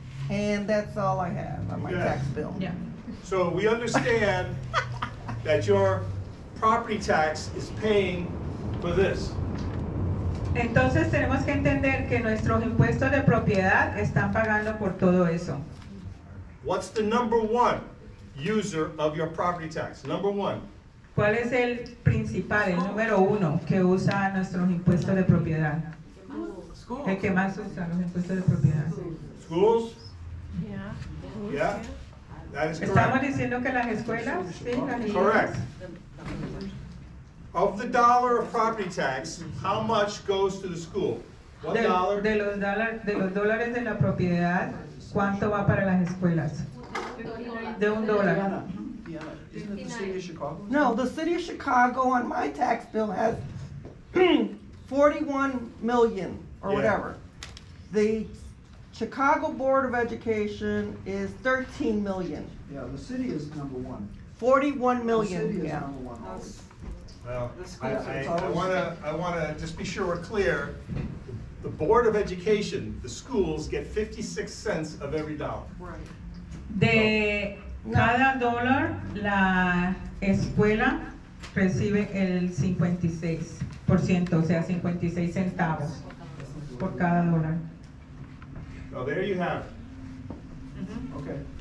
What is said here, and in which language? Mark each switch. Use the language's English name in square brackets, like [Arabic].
[English] And that's all I have on my tax bill. Yeah. So we understand that your property tax is paying for this. [Spanish] Entonces tenemos que entender que nuestros impuestos de propiedad están pagando por todo eso. [English] What's the number one user of your property tax? Number one. [Spanish] ¿Cuál es el principal, el número uno que usa nuestros impuestos de propiedad? [English] Schools. [Spanish] El que más usa los impuestos de propiedad. [English] Schools? Yeah. Yeah. That is correct. [Spanish] Estamos diciendo que las escuelas, sí, las [English] correct. Of the dollar of property tax, how much goes to the school? One dollar. [Spanish] De los dólares de la propiedad, ¿cuánto va para las escuelas? De un dólar. [English] No, the city of Chicago on my tax bill has 41 million or whatever. The Chicago Board of Education is 13 million. Yeah, the city is number one. 41 million. The city is number one. Well, I want to just be sure we're clear. The Board of Education, the schools get 56 cents of every dollar. Right. [Spanish] Cada dólar, la escuela recibe el 56%, o sea, 56 centavos por cada dólar. [English] Oh, there you have. Okay.